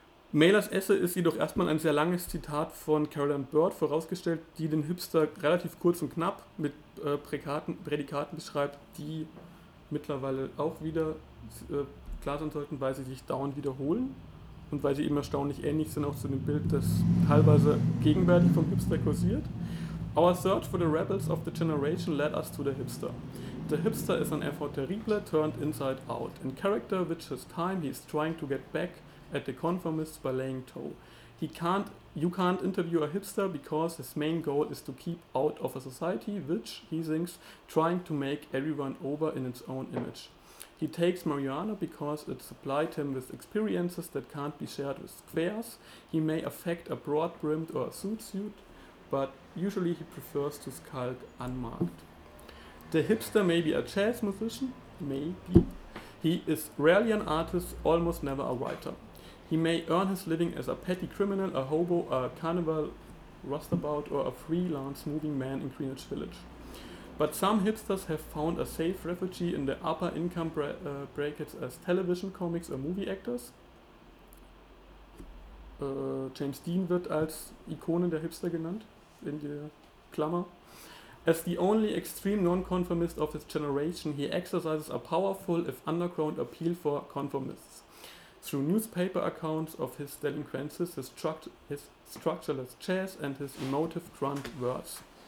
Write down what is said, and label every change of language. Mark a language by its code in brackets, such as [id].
[de] Mailers Essay ist jedoch erstmal ein sehr langes Zitat von Carolyn Bird vorausgestellt, die den Hipster relativ kurz und knapp mit Prädikaten beschreibt, die mittlerweile auch wieder klar sein sollten, weil sie sich dauernd wiederholen und weil sie eben erstaunlich ähnlich sind auch zu dem Bild, das teilweise gegenwärtig vom Hipster kursiert. [en] Our search for the rebels of the generation led us to the hipster. The hipster is an effort terrible turned inside out, in character which his time he is trying to get back at the conformists by laying toe. You can't interview a hipster because his main goal is to keep out of a society which, he thinks, trying to make everyone over in its own image. He takes marijuana because it supplied him with experiences that can't be shared with squares. He may affect a broad-brimmed or a suit, but usually he prefers to skulk unmarked. The hipster may be a jazz musician, maybe. He is rarely an artist, almost never a writer. He may earn his living as a petty criminal, a hobo, a carnival rustabout, or a freelance moving man in Greenwich Village. But some hipsters have found a safe refuge in the upper income brackets as television comics or movie actors. [de] James Dean wird als Ikone der Hipster genannt, in der Klammer. [en] As the only extreme nonconformist of his generation, he exercises a powerful, if underground, appeal for conformists. Through newspaper accounts of his delinquencies, his structureless jazz and his emotive grunt words.